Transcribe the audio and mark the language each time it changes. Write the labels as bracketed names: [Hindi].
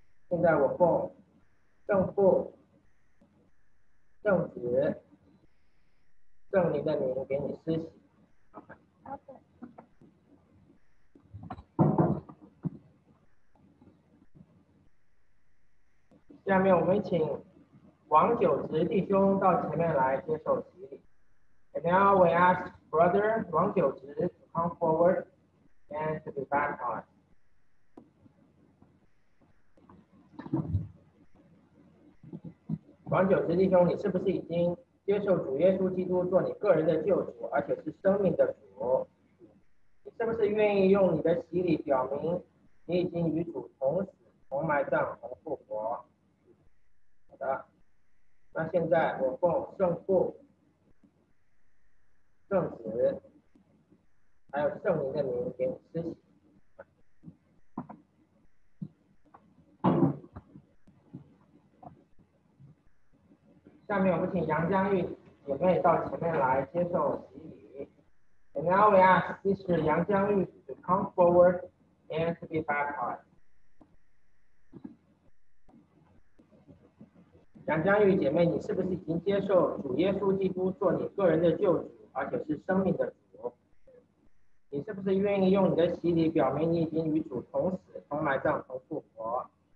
[Chinese] 现在我奉圣父、圣子、圣灵的名给你施洗。下面我们请王九直弟兄到前面来接受洗礼。 [English] And now we ask Brother 王九直 to come forward and to be baptized. [Chinese] 王九直弟兄，你是不是已经接受主耶稣基督做你个人的救主，而且是生命的主？你是不是愿意用你的洗礼表明你已经与主同死、同埋葬、同复活？好的。那现在我奉圣父、圣子，还有圣灵的名给你施洗。下面我们请杨江玉姐妹到前面来接受洗礼。 [English] And now we ask Sister 杨江玉 to come forward and to be baptized. [Chinese] 杨江玉姐妹，你是不是已经接受主耶稣基督做你个人的救主，而且是生命的主？你是不是愿意用你的洗礼表明你已经与主同死、同埋葬、同复活？